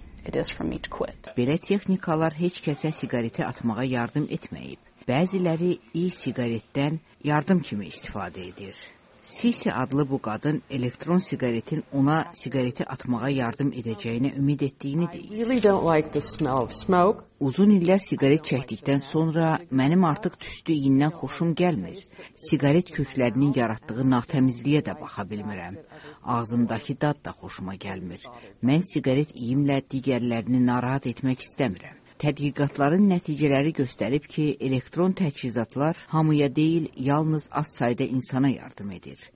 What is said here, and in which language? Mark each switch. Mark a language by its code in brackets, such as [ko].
[en] It is for me to quit. [az] Belə texnikalar heç kəsə siqareti atmağa yardım etməyib. Bəziləri e-siqaretdən yardım kimi istifadə edir. Sisi adlı bu qadın elektron siqaretin ona siqareti atmağa yardım edəcəyinə ümid etdiyini deyir. [en] I really don't like the smell of smoke. [az] Uzun illər siqaret çəkdikdən sonra mənim artıq tüstü iyindən xoşum gəlmir. Siqaret köklərinin yaratdığı natəmizliyə də baxa bilmirəm. Ağzımdakı dad da xoşuma gəlmir. Mən siqaret iyimlə digərlərini narahat etmək istəmirəm. Tədqiqatların nəticələri göstərib ki, elektron təchizatlar hamıya deyil, yalnız az sayda insana yardım edir.